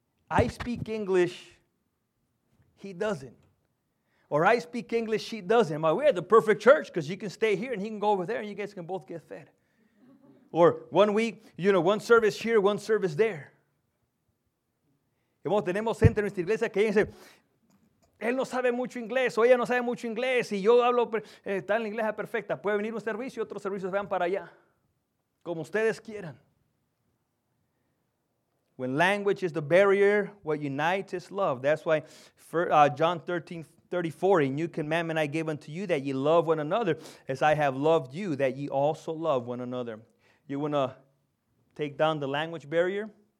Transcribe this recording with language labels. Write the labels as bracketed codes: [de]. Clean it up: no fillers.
[en] I speak English, he doesn't. Or I speak English, she doesn't. I'm like, we have the perfect church because you can stay here and he can go over there and you guys can both get fed. Or one week, you know, one service here, one service there. [es] Hemos tenemos gente en nuestra iglesia que dice, él no sabe mucho inglés, o ella no sabe mucho inglés, y yo hablo, está en la iglesia perfecta. Puede venir un servicio y otros servicios van para allá. Como ustedes quieran. [en] When language is the barrier, what unites is love. That's why John 13:34, a new commandment I give unto you, that ye love one another, as I have loved you, that ye also love one another. You want to take down the language barrier?